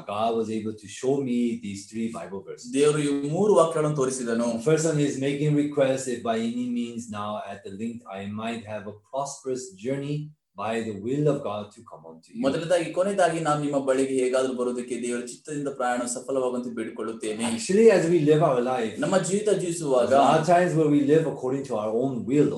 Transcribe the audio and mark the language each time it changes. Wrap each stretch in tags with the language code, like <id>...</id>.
<en>God was able to show me these three Bible verses.</en> <kn>ದೇವರು ಈ ಮೂರು ವಾಕ್ಯಗಳನ್ನು ತೋರಿಸಿದನು.</kn> <en>First one is making request, if by any means now at the length I might have a prosperous journey by the will of God to come unto you.</en> <kn>ಮೊದಲದಾಗಿ ಕೊನೆಯದಾಗಿ ನಾನು ನಿಮ್ಮ ಬಳಿಗೆ ಹೇಗಾದ್ರೂ ಬರುವುದಕ್ಕೆ ದೇವರ ಚಿತ್ತದಿಂದ ಪ್ರಯಾಣ ಸಫಲವಾಗುವಂತೆ ಬೇಡಿಕೊಳ್ಳುತ್ತೇನೆ.</kn> <en>Actually, as we live our life,</en> <kn>ನಮ್ಮ ಜೀವಿತ ಜೀವಿಸುವಾಗ,</kn> <en>there are times where we live according to our own will,</en>